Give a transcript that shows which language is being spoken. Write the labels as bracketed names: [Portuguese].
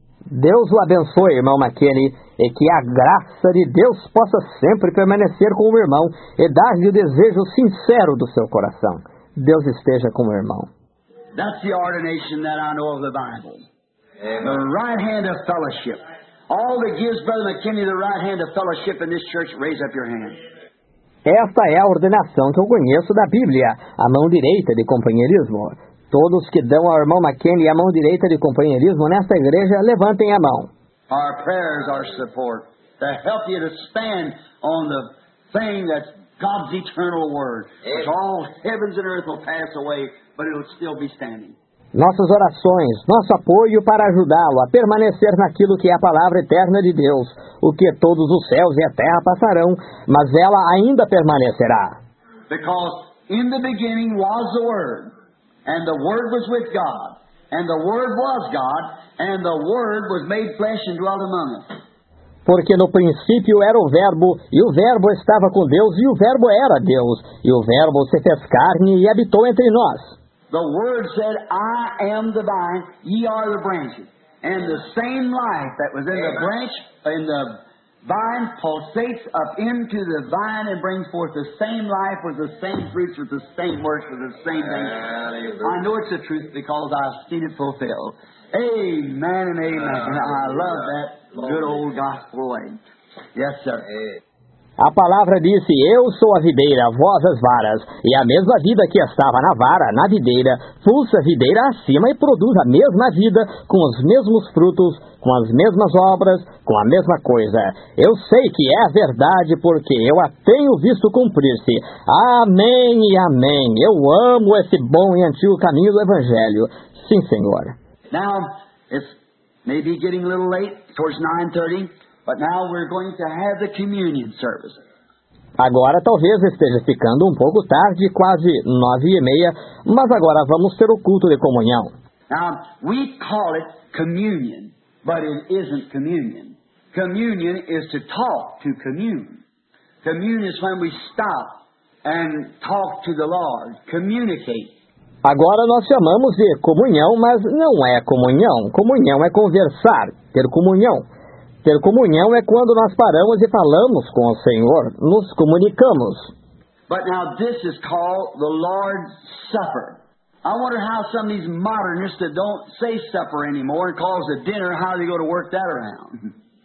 [Portuguese] Deus o abençoe, irmão McKinney, e que a graça de Deus possa sempre permanecer com o irmão e dar-lhe o desejo sincero do seu coração. Deus esteja com o irmão. [English] That's the ordination that I know of the Bible. The right hand of fellowship. All that gives Brother McKinney the right hand of fellowship in this church, raise up your hand. [Portuguese] Esta é a ordenação que eu conheço da Bíblia, a mão direita de companheirismo. Todos que dão ao irmão McKinney a mão direita de companheirismo nesta igreja, levantem a mão. [English] Our prayers are support to help you to stand on the thing that's God's eternal word. Which all heavens and earth will pass away, but it'll still be standing. [Portuguese] Nossas orações, nosso apoio para ajudá-lo a permanecer naquilo que é a palavra eterna de Deus, o que todos os céus e a terra passarão, mas ela ainda permanecerá. [English] Because in the beginning was the word. And the Word was with God, and the Word was God, and the Word was made flesh and dwelt among us. [Portuguese] Porque no princípio era o Verbo estava com Deus, e o Verbo era Deus, e o Verbo se fez carne e habitou entre nós. [English] The Word said, I am the vine, ye are the branches. And the same life that was in the branch, in the vine, pulsates up into the vine and brings forth the same life with the same fruits, with the same works, with the same things. I know it's the truth because I've seen it fulfilled. Amen and amen. I love that good old gospel way. Yes, sir. [Portuguese] A palavra disse, eu sou a videira, vós as varas, e a mesma vida que estava na vara, na videira, pulsa a videira acima e produz a mesma vida, com os mesmos frutos, com as mesmas obras, com a mesma coisa. Eu sei que é a verdade, porque eu a tenho visto cumprir-se. Amém e amém. Eu amo esse bom e antigo caminho do Evangelho. Sim, Senhor. [English] Now, it's maybe getting a little late, towards 9:30. But now we're going to have the communion service. [Portuguese] Agora talvez esteja ficando um pouco tarde, quase 9:30, mas agora vamos ter o culto de comunhão. [English] Now, we call it communion, but it isn't communion. Communion is to talk, to commune. Commune is when we stop and talk to the Lord, communicate. [Portuguese] Agora nós chamamos de comunhão, mas não é comunhão. Comunhão é conversar, ter comunhão. Ter comunhão é quando nós paramos e falamos com o Senhor, nos comunicamos. [English] But now this is called the Lord's Supper. I wonder how some of these modernists that don't say supper anymore and calls it dinner, how are they going to work that around?